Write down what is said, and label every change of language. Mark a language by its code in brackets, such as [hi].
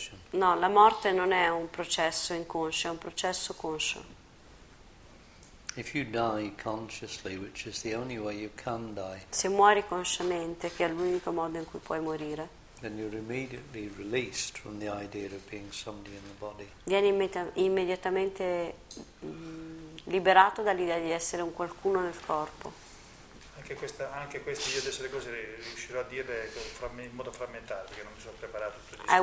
[it] No, la morte non è un processo inconscio, è un processo conscio. [en] If you die consciously, which is the only way you can die, [it] se muori consciamente, che è l'unico modo in cui puoi morire, [en] then you're immediately released from the idea of being somebody in the body. [it] Vieni immediatamente liberato dall'idea di essere un qualcuno nel corpo. Anche questo io adesso le cose riuscirò a dire in modo frammentato perché non mi sono preparato tutto il discorso,